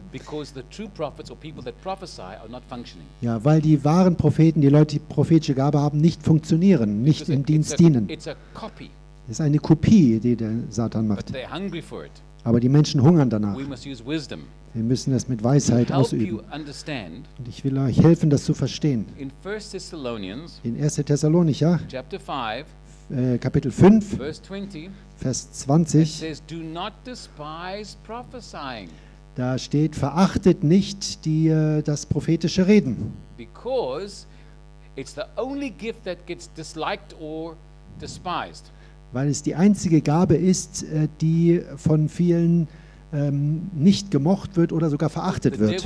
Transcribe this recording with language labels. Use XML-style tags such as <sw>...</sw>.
<en>Because the true prophets or people that prophesy are not functioning.</en> <de>Ja, weil die wahren Propheten, die Leute, die prophetische Gabe haben, nicht funktionieren, nicht im Dienst dienen.</de> <en>It's a copy.</en> <de>Es ist eine Kopie, die der Satan macht.</de> <en>But they're hungry for it.</en> <de>Aber die Menschen hungern danach.</de> <en>We must use wisdom.</en> <de>Wir müssen das mit Weisheit ausüben. Und ich will euch helfen, das zu verstehen.</de> <en>In 1. Thessalonians,</en> <de>in 1. Thessalonicher,</de> <en>Chapter 5,</en> <de>Kapitel 5,</de> <en>Verse 20,</en> <de>Vers 20,</de> <en>it says, do not despise prophesying.</en> <de>Da steht, verachtet nicht die, das prophetische Reden.</de> <en>Because it's the only gift that gets disliked or despised.</en> <de>Weil es die einzige Gabe ist, die von vielen nicht gemocht wird oder sogar verachtet wird.</de>